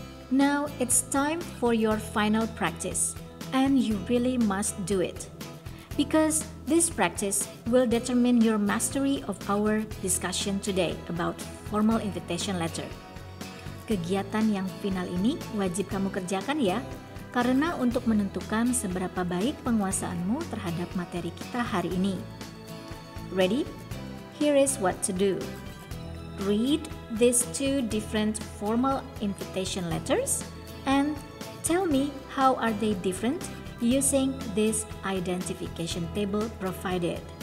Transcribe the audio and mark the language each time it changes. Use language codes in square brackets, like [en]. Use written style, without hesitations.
[en] Now it's time for your final practice, and you really must do it, because this practice will determine your mastery of our discussion today about formal invitation letter. [id] Kegiatan yang final ini wajib kamu kerjakan ya, karena untuk menentukan seberapa baik penguasaanmu terhadap materi kita hari ini. [en] Ready? Here is what to do. Read these two different formal invitation letters and tell me how are they different using this identification table provided.